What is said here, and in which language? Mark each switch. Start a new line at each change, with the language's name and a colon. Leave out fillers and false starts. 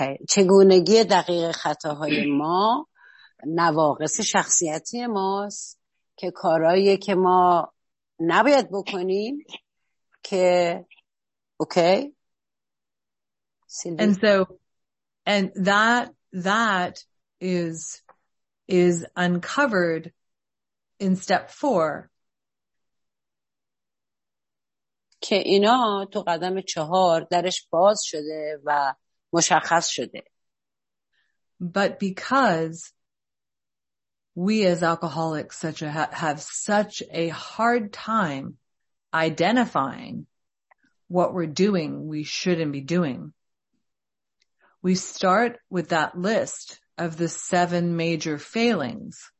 Persian: چگونگی دقیق خطاهای ما نواقص شخصیتی ماست که کارهایی که ما نباید بکنیم که اوکی.
English: And so and that is uncovered in step 4
Persian: که اینا تو قدم 4 درش باز شده و مشخص شده.
English: But because we as alcoholics have such a hard time identifying what we're doing we shouldn't be doing, we start with that list of the 7 major failings.